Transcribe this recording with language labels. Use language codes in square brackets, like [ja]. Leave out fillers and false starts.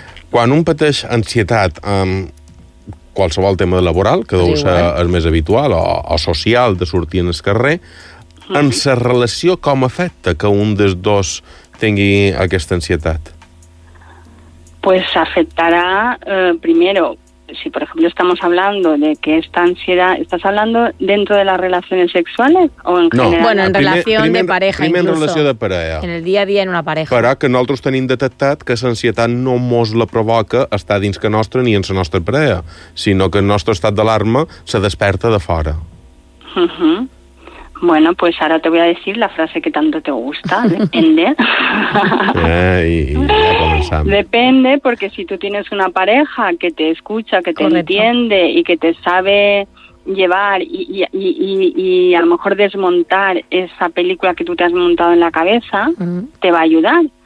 [ca] Quan un pateix ansietat amb qualsevol tema laboral, que deu ser el més habitual, o social, de sortir en el carrer, en la relació com afecta que un dels dos tingui aquesta ansietat? [es] Pues afectará, primero, si por ejemplo estamos hablando de que esta ansiedad, ¿estás hablando dentro de las relaciones sexuales o en no. general? Bueno, en relación primer, de pareja primer incluso. [ca] Primer en relació de parella. En el dia a dia en una pareja. Però que nosaltres tenim detectat que l'ansietat no mos la provoca estar dins que nostra ni en la nostra parella, sinó que el nostre estat d'alarma se desperta de fora. Uh-huh. [es] Bueno, pues ahora te voy a decir la frase que tanto te gusta, ¿entiendes? Ay, depende, porque si tú tienes una pareja que te escucha, que te correcto. Entiende y que te sabe llevar y a lo mejor desmontar esa película que tú te has montado en la cabeza, uh-huh. te va a ayudar.